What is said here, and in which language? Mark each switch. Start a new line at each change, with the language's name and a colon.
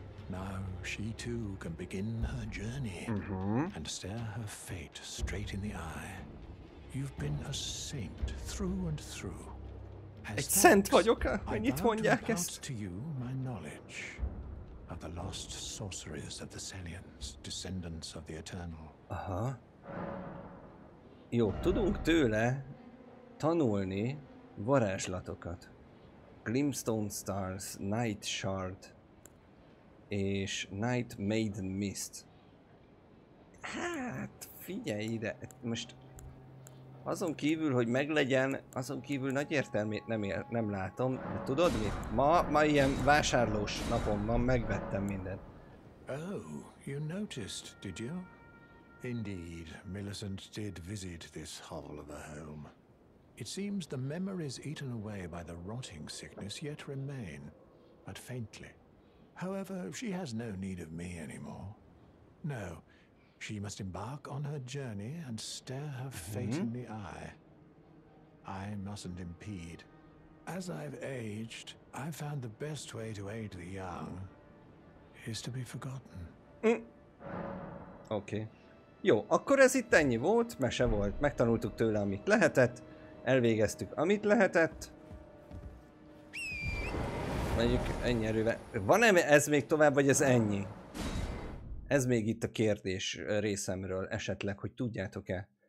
English: Now she too can begin her journey and stare her fate straight in the eye. You've been a saint through and through.
Hungarian: Egy szent vagyok, annyit mondják ezt.
English: I bow to you my knowledge of the lost sorceries of the Salians, descendants of the Eternal. Aha.
Hungarian: Jó, tudunk tőle tanulni varázslatokat.
English: Glimstone Stars, Night Shard.
Hungarian: És Night Maiden Mist. Hát, figyelj ide, most azon kívül, hogy meglegyen, azon kívül nagy értelmét nem látom. De tudod mit? Ma ilyen vásárlós napom van, megvettem mindent.
English: Oh, you noticed, did you? Indeed, Millicent did visit this hovel of a home. It seems the memories eaten away by the rotting sickness yet remain, but faintly. However, she has no need of me anymore. No, she must embark on her journey and stare her fate in the eye. I mustn't impede, As I've aged, I've found the best way to aid the young is to be forgotten. Okay.
Hungarian: Jó, akkor ez itt ennyi volt, mese volt, megtanultuk tőle, amit lehetett, elvégeztük, amit lehetett. Mondjuk ennyi erővel. Van-e ez még tovább, vagy ez ennyi? Ez még itt a kérdés részemről esetleg, hogy tudjátok-e.